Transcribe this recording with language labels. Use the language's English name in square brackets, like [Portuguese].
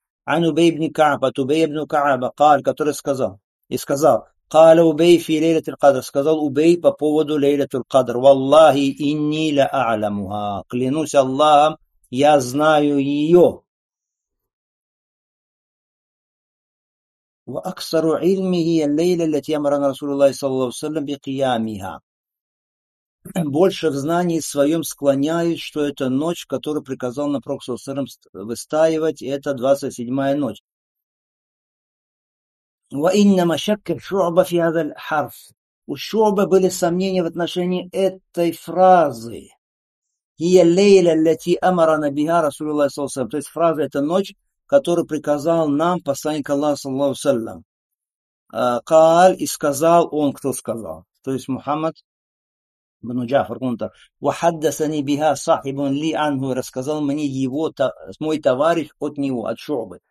[Russian] Ан Убей ибн Каба. Убей ибн Каба. Кал, который сказал. И сказал. [Arabic] Кал Убей фи лейлат аль-Кадр. [Russian] Сказал Убей по поводу лейлат аль-Кадр. [Arabic] Валлахи инни ла а'ламуха. [Russian] Клянусь Аллахом, я знаю ее. [Arabic] وأكثر علمه هي الليلة التي أمرنا رسول الله صلى الله عليه وسلم بقيامها. [Russian] Больше в знании своем склоняюсь, что это ночь, которую приказал на пророк Саллаллаху алейхи ва саллям выстаивать, это 27-я ночь. [Arabic] وإنما شك شعبة في هذا الحرف. [Russian] У Шуъба были сомнения в отношении этой фразы. [Arabic] هي الليلة التي أمرنا بها رسول الله صلى الله عليه وسلم. [Russian] То есть фраза это ночь, который приказал нам посланник Аллаха, саллаллаху алейхи ва саллям. Кал, и сказал он, кто сказал. То есть Мухаммад бин Джафар Гунтар. [Arabic] Вахаддасани биха сахибун ли ангу. [Russian] Рассказал мне его, мой товарищ от него, от Шуъбы.